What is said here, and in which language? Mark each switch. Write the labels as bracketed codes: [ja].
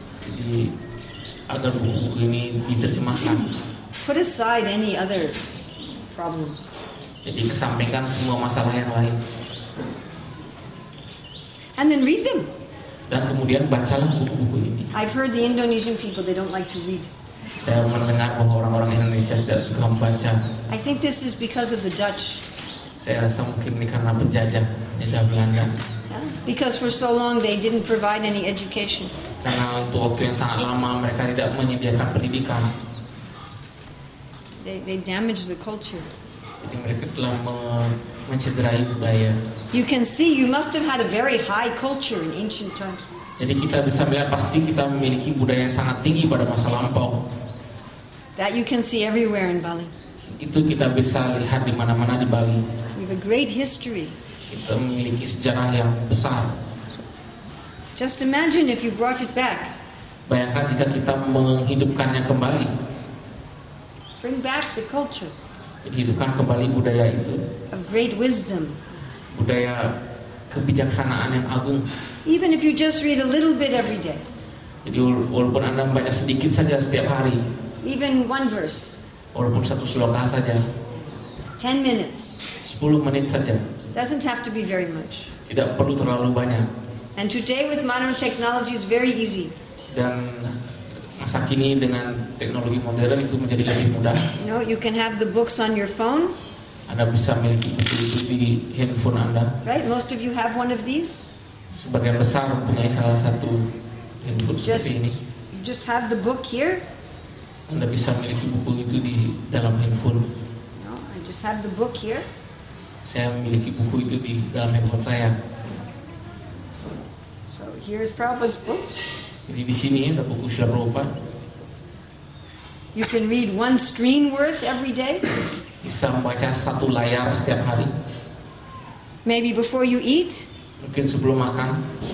[id] Jadi agar buku ini diterjemahkan. [en] Put aside any other problems. [id] Jadi kesampingkan semua masalah yang lain. [en] And then read them. [id] Dan kemudian bacalah buku-buku ini. [en] I've heard the Indonesian people, they don't like to read. [id] Saya mendengar bahwa orang-orang Indonesia tidak suka membaca. [en] I think this is because of the Dutch. [id] Saya rasa mungkin ini karena penjajah, penjajah Belanda. [en] Because for so long they didn't provide any education. [id] Karena untuk waktu yang sangat lama mereka tidak menyediakan pendidikan. [en] They damaged the culture. [id] Jadi mereka telah mencederai budaya. [en] You can see you must have had a very high culture in ancient times. [id] Jadi kita bisa melihat pasti kita memiliki budaya yang sangat tinggi pada masa lampau. [en] That you can see everywhere in Bali. [id] Itu kita bisa lihat di mana-mana di Bali. [en] We have a great history. [id] Kita memiliki sejarah yang besar. [en] Just imagine if you brought it back. [id] Bayangkan jika kita menghidupkannya kembali. [en] Bring back the culture. [id] Hidupkan kembali budaya itu. [en] A great wisdom. [id] Budaya kebijaksanaan yang agung. [en] Even if you just read a little bit every day. [id] Jadi walaupun Anda membaca sedikit saja setiap hari. [en] Even one verse. [id] Walaupun satu sloka saja. [en] 10 minutes. [id] 10 menit saja. [en] Doesn't have to be very much. [id] Tidak perlu terlalu banyak. [en] And today with modern technology is very easy. [id] Dan masa kini dengan teknologi modern itu menjadi lebih mudah. [en] You know, you can have the books on your phone. [id] Anda bisa memiliki buku-buku di handphone Anda. [en] Right, most of you have one of these. [id] Sebagian besar punya salah satu handphone [en] just, [id] seperti ini. [en] You just have the book here. [id] Anda bisa memiliki buku itu di dalam handphone. [en] No, I just have the book here. [id] Saya memiliki buku itu di dalam handphone saya. [en] So here is Prabhupada's book. [id] Jadi di sini ada buku Srila Prabhupada. [en] You can read one screen worth every day. [id] Bisa membaca satu layar setiap hari. [en] Maybe before you eat. [id] Mungkin sebelum makan.